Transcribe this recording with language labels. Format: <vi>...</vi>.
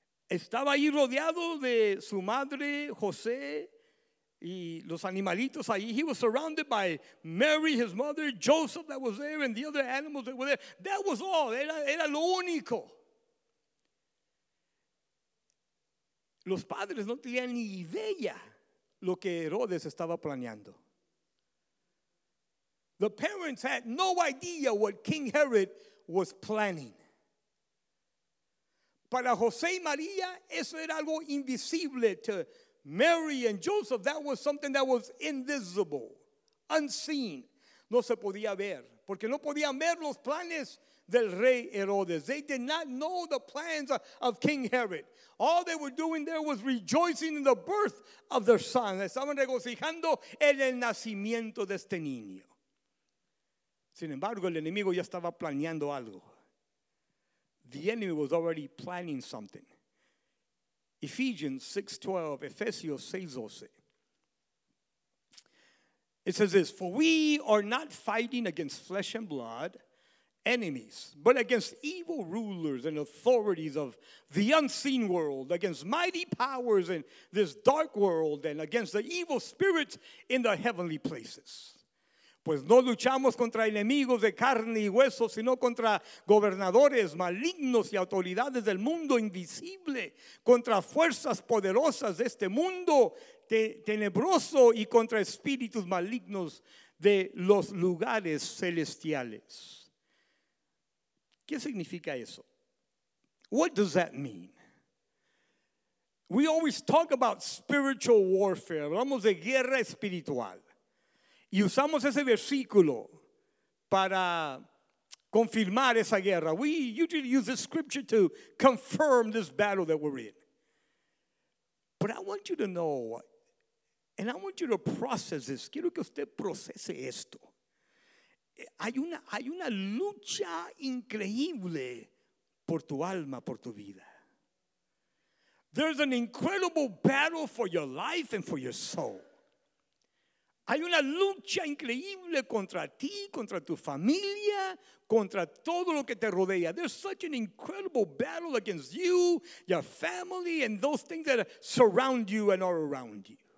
<es>Estaba ahí rodeado de su madre, José, y los animalitos ahí.</es> <en>He was surrounded by Mary, his mother, Joseph that was there, and the other animals that were there. That was all.</en> <es>Era lo único. Los padres no tenían ni idea lo que Herodes estaba planeando.</es> <en>The parents had no idea what King Herod was planning.</en> <es>Para José y María, eso era algo invisible.</es> <en>To Mary and Joseph, that was something that was invisible, unseen.</en> <es>No se podía ver, porque no podían ver los planes del rey Herodes.</es> <en>They did not know the plans of King Herod. All they were doing there was rejoicing in the birth of their son.</en> <es>Estaban regocijando en el nacimiento de este niño. Sin embargo, el enemigo ya estaba planeando algo.</es> <en>The enemy was already planning something. Ephesians 6:12, Ephesians 6:12. It says this: For we are not fighting against flesh and blood, enemies, but against evil rulers and authorities of the unseen world, against mighty powers in this dark world, and against the evil spirits in the heavenly places.</en> <es>Pues no luchamos contra enemigos de carne y hueso, sino contra gobernadores malignos y autoridades del mundo invisible, contra fuerzas poderosas de este mundo tenebroso y contra espíritus malignos de los lugares celestiales. ¿Qué significa eso?</es> <en>What does that mean? We always talk about spiritual warfare.</en> <es>Hablamos de guerra espiritual. Y usamos ese versículo para confirmar esa guerra.</es> <en>We usually use the scripture to confirm this battle that we're in. But I want you to know, and I want you to process this.</en> <es>Quiero que usted procese esto. Hay una lucha increíble por tu alma, por tu vida.</es> <en>There's an incredible battle for your life and for your soul.</en> <es>Hay una lucha increíble contra ti, contra tu familia, contra todo lo que te rodea.</es> <en>There's such an incredible battle against you, your family, and those things that surround you and are around you.</en>